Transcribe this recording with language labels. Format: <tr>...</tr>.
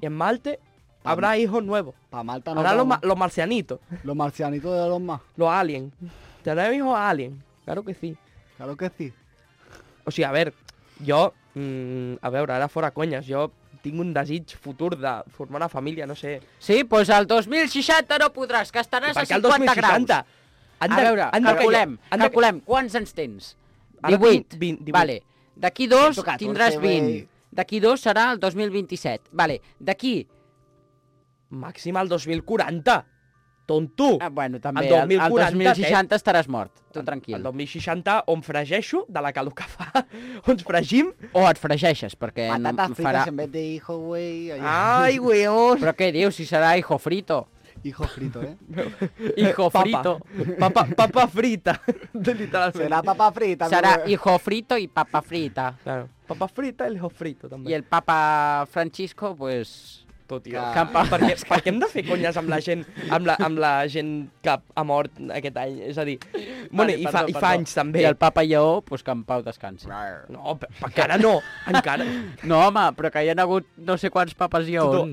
<es>I en Malte habrá hijos nuevos. Pa Malta no. Habrá los marcianitos. Los marcianitos de Elon Musk. Los aliens. ¿Tendrán hijos aliens? Claro que sí. Claro que sí. O sea, a ver, yo... a ver, ahora fuera coñas, yo...</es> <ca>Tinc un desig futur de formar una família, no sé. Sí, doncs el 2060 no podràs, que estaràs a 50 graus. A veure, calculem. Quants ens tens? 18. Vale. D'aquí dos tindràs 20. D'aquí dos serà el 2027. Vale. D'aquí... Màxim al 2040. Tonto. Bueno, també. El 2060 estaràs mort. Tu tranquil. El 2060 on fregeixo de la calor que fa. On fregim. O et fregeixes, perquè no em</ca> <es>Patatas fritas en vez de hijo, güey. Ay, weón.</es> <ca>Però què dius? Si serà</ca> <es>hijo frito. Hijo frito, eh? Hijo frito. Papa frita.</es> <ca>Serà papa frita. Serà</ca> <es>hijo frito</es> <ca>i</ca> <es>papa frita. Claro. Papa frita i hijo frito,</es> <ca>també. I el papa Francisco,</ca> <es>pues...</es> <ca>Tot, tio.</ca> <es>Claro.</es> <ca>Per què hem de fer conyes amb la gent amb la gent que ha mort aquest any? És a dir, vale, bueno, i fa anys també. I el papa Lleó,</ca> <es>pues,</es> <ca>que en pau descansi. No, encara no. Encara. No, home, però que hi ha hagut no sé quants papes lleons.</ca>